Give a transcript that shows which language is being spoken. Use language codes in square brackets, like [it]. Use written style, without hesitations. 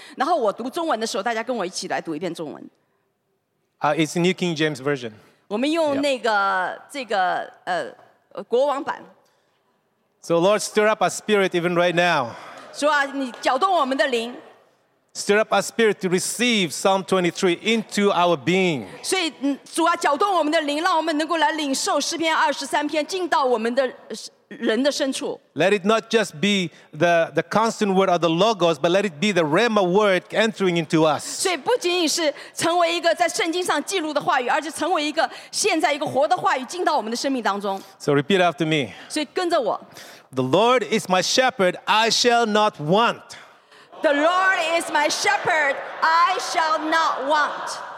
[zh] 所以我们会一节一节的读下来。那Alex呢，他会读英文，那他读一遍英文的，大家跟他一起来读一遍英文。然后我读中文的时候，大家跟我一起来读一遍中文。 [en] It's the New King James Version. [zh] 我们用那个这个国王版。So [en] Lord, stir up our spirit even right now. [zh] 主啊，你搅动我们的灵。 [en] Stir up our spirit to receive Psalm 23 into our being. [zh] 所以，主啊，搅动我们的灵，让我们能够来领受诗篇23篇，进到我们的人的深处。 [en] Let it not just be the constant word of the Logos, but let it be the Rhema word entering into us. [zh] 所以不仅仅是成为一个在圣经上记录的话语，而且成为一个现在一个活的话语，进到我们的生命当中。 [en] So repeat after me. [zh] 所以跟着我。 [en] The Lord is my shepherd, I shall not want. The Lord is my shepherd, I shall not want.